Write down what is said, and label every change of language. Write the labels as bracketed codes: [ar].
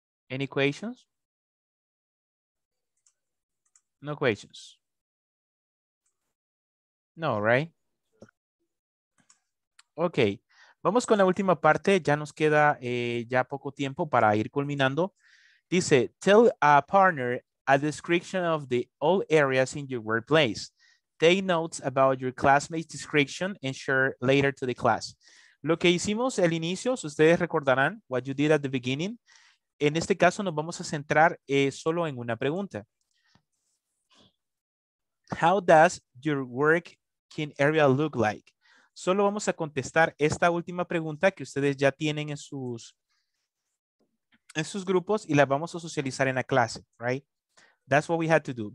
[en] Any questions? No questions. No, right? [es] Okay. Vamos con la última parte. Ya nos queda ya poco tiempo para ir culminando. [en] Dice, tell a partner a description of the all areas in your workplace. Take notes about your classmate's description and share later to the class. [es] Lo que hicimos al inicio, si ustedes recordarán, [en] what you did at the beginning. [es] En este caso nos vamos a centrar solo en una pregunta. [en] How does your working area look like? [es] Solo vamos a contestar esta última pregunta que ustedes ya tienen en sus grupos y la vamos a socializar en la clase, right? [en] That's what we had to do.